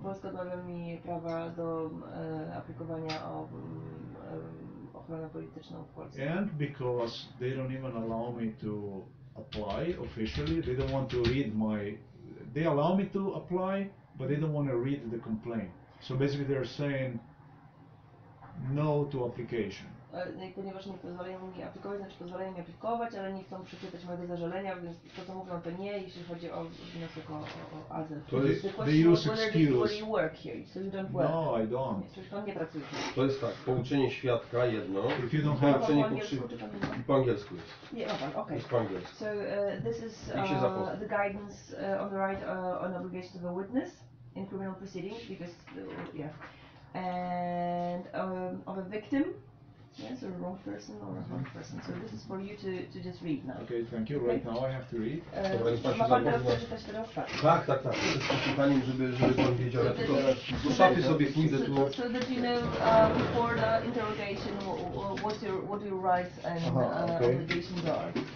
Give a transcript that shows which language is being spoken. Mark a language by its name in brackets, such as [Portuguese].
[Polish] Polska odmawia mi prawa do aplikowania o ochronę polityczną w Polsce. [English] And because they don't even allow me to apply officially, they don't want to read my... They allow me to apply, but they don't want to read the complaint. So basically they're saying no to application. [Polish] No i ponieważ nie pozwalają mi aplikować, znaczy pozwalają mi aplikować, ale nie chcą przeczytać mojego zażalenia, więc to co mówią to nie, jeśli chodzi o wniosek o azyl. To jest [English] the question of whether you work here, so you don't work. No, I don't. [Polish] Nie, pan nie pracuje. To jest tak, pouczenie świadka jedno. [English] If you don't have [Polish] no, pouczenie po angielsku jest. Nie, ma pan, okej. Jest po angielsku. [English] So this is the guidance on the right on obligation of a witness in criminal proceedings, because, yeah. And of a victim. Yes, or wrong person or a wrong person. So this is for you to just read now. Okay, thank you. Right now I have to read. [Polish] Tak, tak, tak. To jest poszukaniem, żeby pan wiedział. Ja tylko do szafy sobie pójdę tu. [English] So that you know before the interrogation what your rights and obligations are.